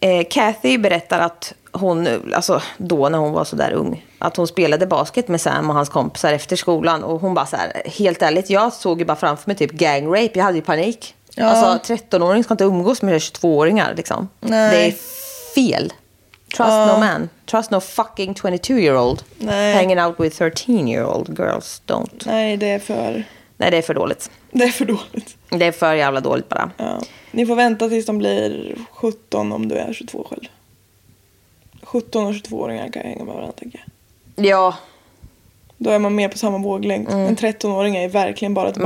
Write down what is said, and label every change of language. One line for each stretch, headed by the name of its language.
Swedish: Kathy berättar att hon, alltså då när hon var så där ung, att hon spelade basket med Sam och hans kompisar efter skolan. Och hon bara så här, helt ärligt, jag såg ju bara framför mig typ gang rape. Jag hade ju panik. Ja. Alltså 13-åring ska inte umgås med 22-åringar liksom. Nej. Det är fel.
English: Trust no man. Trust no fucking 22-year-old.
Swedish: Nej.
English: Hanging out with 13-year-old girls, don't.
Swedish: Nej, det är för... Nej, det är för dåligt. Det är för dåligt. Det är för jävla dåligt bara. Ja. Ni får vänta tills de blir 17 om du är 22 själv. 17- och 22-åringar kan hänga med varandra, tänker jag. Ja. Då är man mer på samma våglängd. Mm. En 13-åring är verkligen bara ett barn.